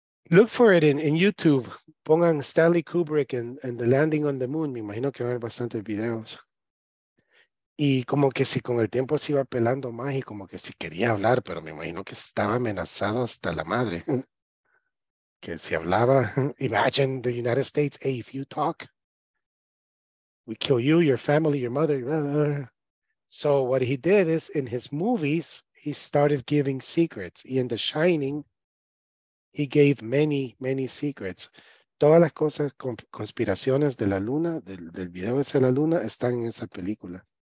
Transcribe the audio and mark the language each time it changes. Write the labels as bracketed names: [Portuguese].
[English] Look for it in YouTube. [Spanish] Pongan [English] Stanley Kubrick and the landing on the moon. [Spanish] Me imagino que van a haber bastantes videos. Y como que si con el tiempo se iba pelando más y como que si quería hablar, pero me imagino que estaba amenazado hasta la madre. Que si hablaba, [English] imagine the United States, hey, if you talk, we kill you, your family, your mother. So what he did is in his movies, he started giving secrets. Y in The Shining, he gave many, many secrets. [Spanish] Todas las cosas, conspiraciones de la luna, del video ese de la luna, están en esa película.